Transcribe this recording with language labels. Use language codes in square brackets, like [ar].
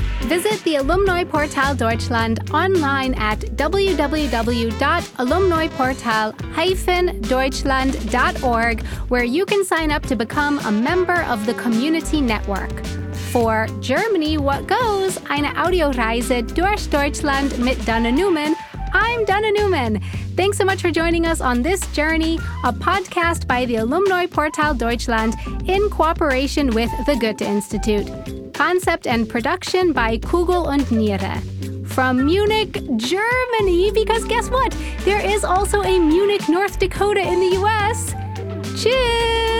[en] Visit the Alumni Portal Deutschland online at www.alumniportal-deutschland.org, where you can sign up to become a member of the community network. For Germany, what goes? [de] Eine Audioreise durch Deutschland mit Dana Neumann. [en] I'm Dana Neumann. Thanks so much for joining us on this journey, a podcast by the Alumni Portal Deutschland in cooperation with the Goethe Institute. Concept and production by Kugel und Niere. From Munich, Germany, because guess what? There is also a Munich, North Dakota in the US. Tschüss!